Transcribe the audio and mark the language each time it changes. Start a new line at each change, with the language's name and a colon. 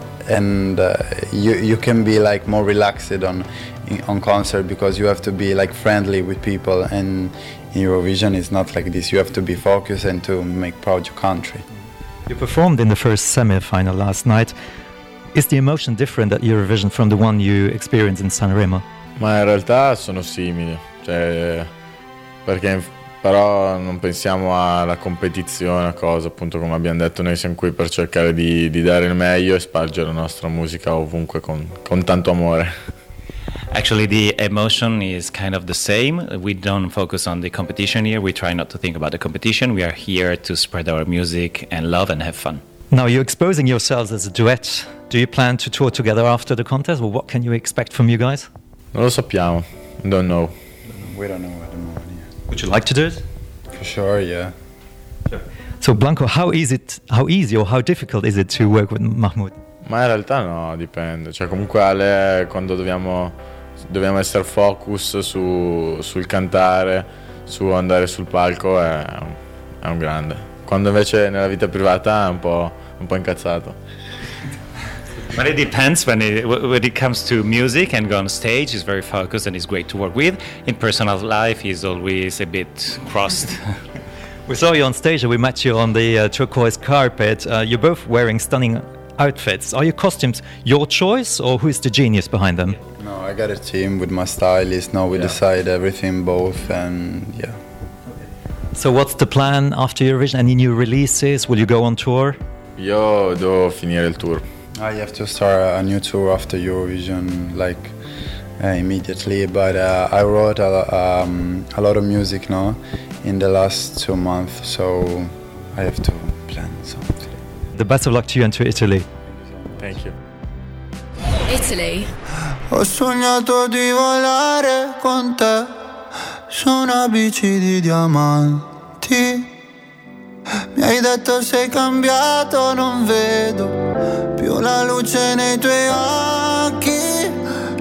English: And you can be like more relaxed on concert because you have to be like friendly with people, and in Eurovision it's not like this. You have to be focused and to make proud your country. You performed in the first semi-final last night. Is the emotion different at Eurovision from the one you experienced in Sanremo?
Italian: Ma in realtà sono simili, cioè perché però non pensiamo alla competizione, a cosa, appunto, come abbiamo detto, noi siamo qui per cercare di dare il meglio e spargere la nostra musica ovunque con tanto amore.
English: Actually, the emotion is kind of the same. We don't focus on the competition here. We try not to think about the competition. We are here to spread our music and love and have fun. Now, you're exposing yourselves as a duet. Do you plan to tour together after the contest, or what can you expect from you guys?
Italian: Non lo sappiamo.
English: Don't know. We don't know. Would you like to do it? For sure, yeah. Sure. So Blanco, how difficult is it to work with Mahmoud?
Italian: Ma in realtà no, dipende. Cioè comunque Ale, quando dobbiamo essere focus sul cantare, su andare sul palco, è un grande. Quando invece nella vita privata è un po' incazzato.
English: But it depends when it comes to music and go on stage. He's very focused and he's great to work with. In personal life, he's always a bit crossed. We saw you on stage and we met you on the turquoise carpet. You're both wearing stunning outfits. Are your costumes your choice or who is the genius behind them? No, I got a team with my stylist. No, we decide everything both and yeah. So what's the plan after Eurovision? Any new releases? Will you go on tour?
Italian: Io devo finire il tour.
English: I have to start a new tour after Eurovision, like immediately. But I wrote a lot of music now in the last 2 months, so I have to plan something. The best of luck to you and to Italy. Thank you. Italy.
Italian: Ho sognato di volare con te su una bici di diamanti. Mi hai detto sei cambiato, non vedo più la luce nei tuoi occhi.